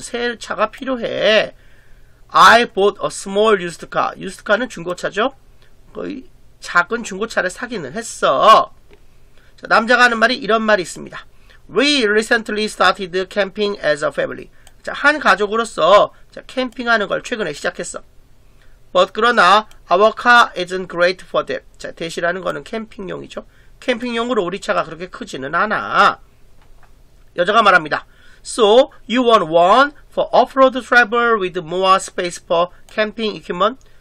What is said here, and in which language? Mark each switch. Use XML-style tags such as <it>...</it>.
<ko>새 차가 필요해.</ko> <en>I bought a small used car.</en> <ko>Used car는 중고차죠. 거의 작은 중고차를 사기는 했어. 자, 남자가 하는 말이 이런 말이 있습니다.</ko> <en>We recently started camping as a family.</en> <ko>자, 한 가족으로서 자, 캠핑하는 걸 최근에 시작했어.</ko> <en>But 그러나 our car isn't great for that.</en> <ko>자, that이라는 거는 캠핑용이죠. 캠핑용으로 우리 차가 그렇게 크지는 않아. 여자가 말합니다.</ko> <en>So you want one for off-road travel with more space for camping equipment?</en>